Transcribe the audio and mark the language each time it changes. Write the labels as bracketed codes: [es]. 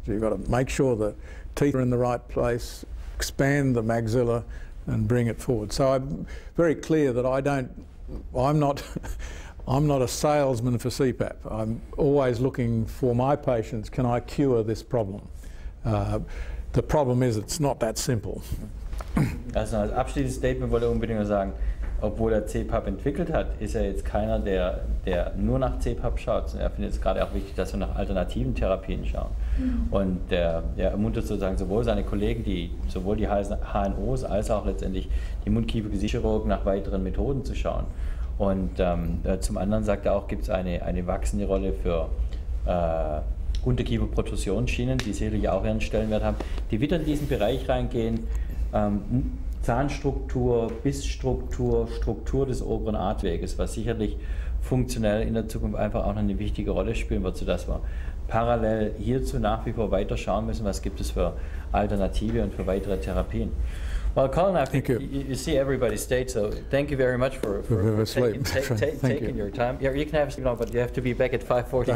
[en] So you've got to make sure the teeth are in the right place, expand the maxilla and bring it forward. So I'm very clear that I'm not a salesman for CPAP. I'm always looking for my patients, can I cure this problem? The problem is it's not that simple. [de] Also als abschließendes Statement wollte ich unbedingt nur sagen, obwohl er CPAP entwickelt hat, ist er jetzt keiner, der nur nach CPAP schaut. Er findet es gerade auch wichtig, dass wir nach alternativen Therapien schauen. Und er ermuntert sozusagen sowohl seine Kollegen, die sowohl die HNOs als auch letztendlich die Mund-Kiefer-Gesicherung nach weiteren Methoden zu schauen. Und zum anderen sagt er auch, gibt es eine wachsende Rolle für Unterkieferprotrusionsschienen, die sicherlich auch ihren Stellenwert haben, die wieder in diesen Bereich reingehen. Zahnstruktur, Bissstruktur, Struktur des oberen Atemweges, was sicherlich funktionell in der Zukunft einfach auch noch eine wichtige Rolle spielen wird, sodass wir parallel hierzu nach wie vor weiter schauen müssen, was gibt es für Alternative und für weitere Therapien. [en] Well, Colin, I think you see everybody stayed, so thank you very much for taking you. Your time. Yeah, you can have sleep now, but you have to be back at 5:45.